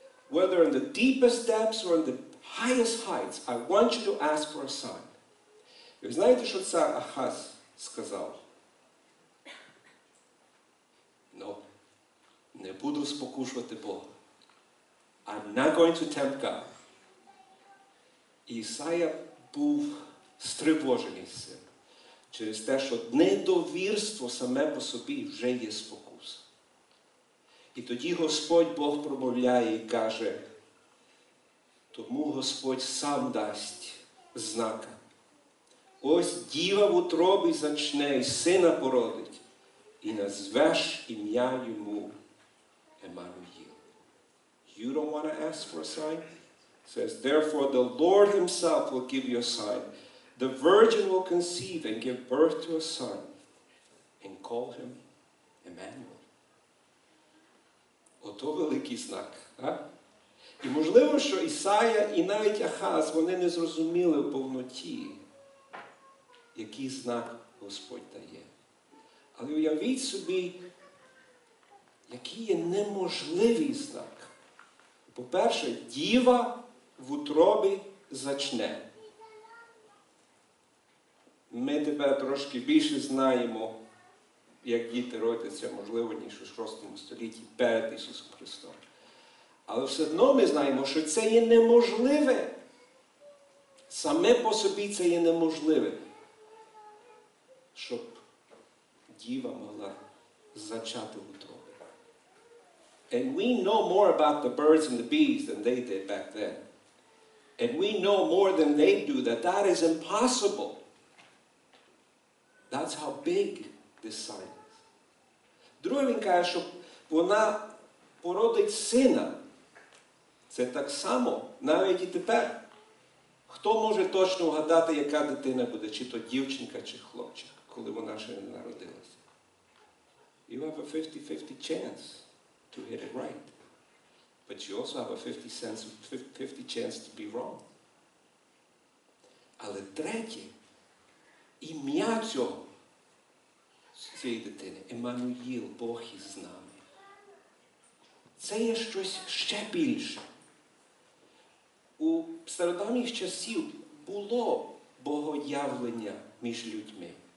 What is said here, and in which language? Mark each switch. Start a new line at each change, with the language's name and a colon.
English: Whether in the deepest depths or in the highest heights, I want you to ask for a sign.
Ukrainian: Ви знаєте, що цар Ахаз сказав? Ну, не буду спокушувати Бога.
English: I'm not going to tempt God.
Ukrainian: Ісая був стривожений з цим. Через те, що недовірство саме по собі вже є спокуса. І тоді Господь Бог промовляє і каже, тому Господь сам дасть знака. Ось діва в утробі зачне і сина породить. І назвеш ім'я йому Еммануїл.
English: You don't want to ask for a sign? It says, therefore the Lord himself will give you a sign. The virgin will conceive and give birth to a son and call him Emmanuel.
Ukrainian: Ото великий знак. А? І можливо, що Ісая і навіть Ахаз, вони не зрозуміли в повноті, який знак Господь дає. Але уявіть собі, який є неможливий знак. По-перше, діва в утробі зачне. ми тебе трошки більше знаємо, як діти родяться, можливо, ніж у 6 столітті перед Ісусом Христом. Але все одно ми знаємо, що це є неможливе. Саме по собі це є неможливе, щоб діва могла зачати утробу.
English: And we know more about the birds and the bees than they did back then. And we know more than they do that that is impossible. That's how big this sign is.
Ukrainian: Другий він каже, що вона породить сина. Це так само, навіть і тепер. Хто може точно вгадати, яка дитина буде, чи то дівчинка, чи хлопчик, коли вона ще не народилася?
English: You have a 50-50 chance to hit it right. But you also have a 50 chance to be wrong.
Ukrainian: Але третє, ім'я цієї дитини, Еммануїл, Бог із нами, це є щось ще більше. У стародавніх часів було богоявлення між людьми.